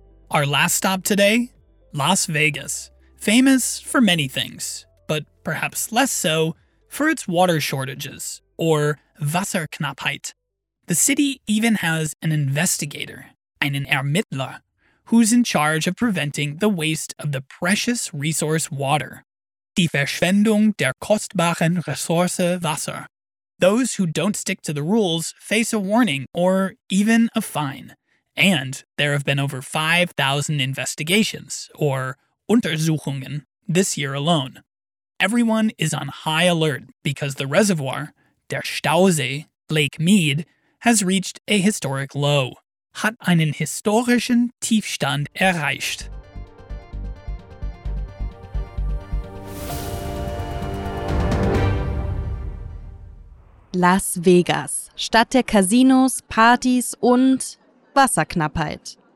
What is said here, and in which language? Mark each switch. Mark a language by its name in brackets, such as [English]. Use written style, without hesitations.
[English] Our last stop today, Las Vegas, famous for many things, but perhaps less so for its water shortages, or Wasserknappheit. The city even has an investigator, [German] einen Ermittler, [English] who's in charge of preventing the waste of the precious resource water. [German] Die Verschwendung der kostbaren Ressource Wasser. [English] Those who don't stick to the rules face a warning or even a fine. And there have been over 5,000 investigations, or Untersuchungen, this year alone. Everyone is on high alert because the reservoir, [German] der Stausee, [English] Lake Mead, has reached a historic low. [German] Hat einen historischen Tiefstand erreicht. Las Vegas, Stadt der Casinos, Partys und Wasserknappheit.